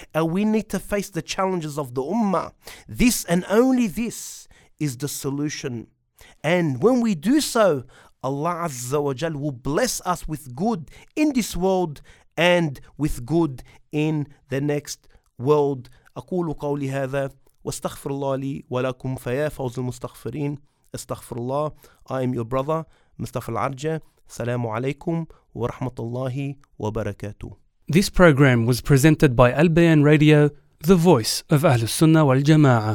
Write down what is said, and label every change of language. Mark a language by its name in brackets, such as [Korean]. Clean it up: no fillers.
[English] And we need to face the challenges of the ummah. This and only this is the solution. And when we do so, Allah Azza wa Jal will bless us with good in this world and with good in the next world. [Arabic] أقول قولي هذا واستغفر الله لي ولكم فيا فوز المستغفرين استغفر الله. [English] I am your brother مصطفى العرجة. [Arabic] السلام عليكم ورحمة الله وبركاته. [English] This program was presented by Al Bayan Radio, the voice of Ahlus Sunnah wal Jama'ah.